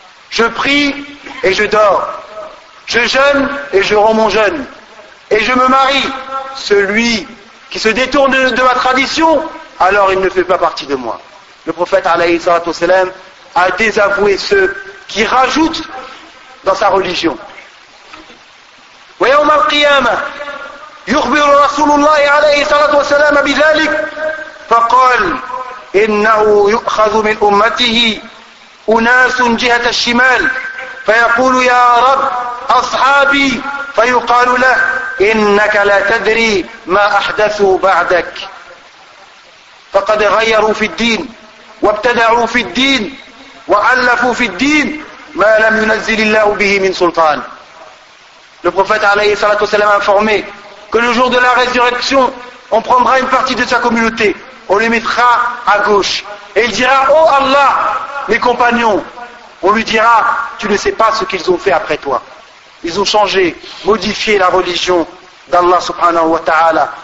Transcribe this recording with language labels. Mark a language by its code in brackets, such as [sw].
[fr] Je prie et je dors. Je jeûne et je romps mon jeûne. Et je me marie. Celui qui se détourne de ma tradition, alors il ne fait pas partie de moi. Le prophète alayhi salatu wassalam a désavoué ceux qui rajoutent dans sa religion. [ar] ويوم القيامة يخبر رسول الله عليه الصلاة والسلام بذلك فقال إنه يؤخذ من أمته أناس جهة الشمال فيقول يا رب أصحابي فيقال له إنك لا تدري ما أحدثوا بعدك فقد غيروا في الدين وابتدعوا في الدين وألفوا في الدين ما لم ينزل الله به من سلطان. [fr] Le prophète alayhi salatu wassalam a informé que le jour de la résurrection, on prendra une partie de sa communauté, on les mettra à gauche. Et il dira, ô Allah, mes compagnons, on lui dira, tu ne sais pas ce qu'ils ont fait après toi. Ils ont changé, modifié la religion d'Allah subhanahu wa ta'ala.